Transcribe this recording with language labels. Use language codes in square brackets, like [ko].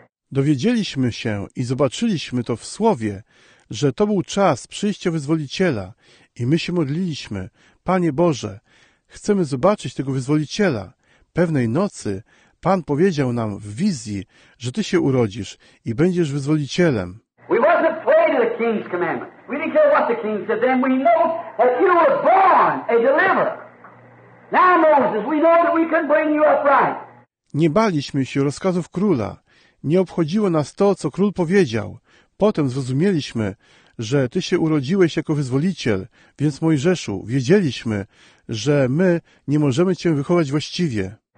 [pl] Dowiedzieliśmy się i zobaczyliśmy to w Słowie, że to był czas przyjścia Wyzwoliciela i my się modliliśmy, Panie Boże, chcemy zobaczyć tego Wyzwoliciela. Pewnej nocy Pan powiedział nam w wizji, że Ty się urodzisz i będziesz Wyzwolicielem. [en] We wasn't afraid of the King's commandment. We didn't care what the King said then. We know that you were born a deliverer. Now, Moses, we know that we can bring you up right. [pl] Nie baliśmy się rozkazów króla. Nie obchodziło nas to, co król powiedział. Potem zrozumieliśmy, że ty się urodziłeś jako wyzwoliciel, więc Mojżeszu, wiedzieliśmy, że my nie możemy cię wychować właściwie.